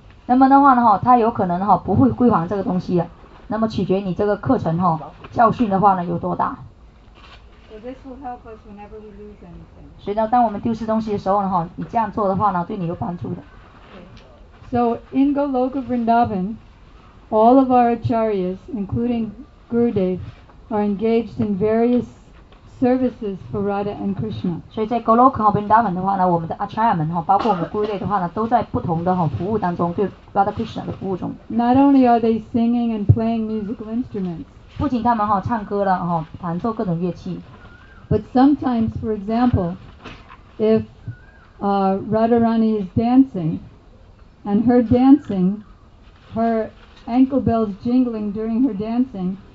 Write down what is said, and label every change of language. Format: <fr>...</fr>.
<zh>那么的话呢，他有可能不会归还这个东西的，那么取决你这个课程教训的话呢有多大。</zh> <en>So this will help us whenever we lose anything.</en> <zh>所以呢，当我们丢失东西的时候呢，你这样做的话呢，对你有帮助的。</zh> <en>So in Goloka Vrindavan, all of our acharyas, including Gurudev are engaged in various services for Radha and Krishna.</en> <zh>所以在 Goloka Vrindavan 的话呢，我们的 Acharya 们哈，包括我们 Gurudev 的话呢，都在不同的哈服务当中，对 Radha Krishna 的服务中。</zh> <en>Not only are they singing and playing musical instruments.</en> <zh>不仅他们哈唱歌了哈，弹奏各种乐器。</zh> <en>But sometimes, for example, if Radharani is dancing, and her dancing, her ankle bells jingling during her dancing.</en>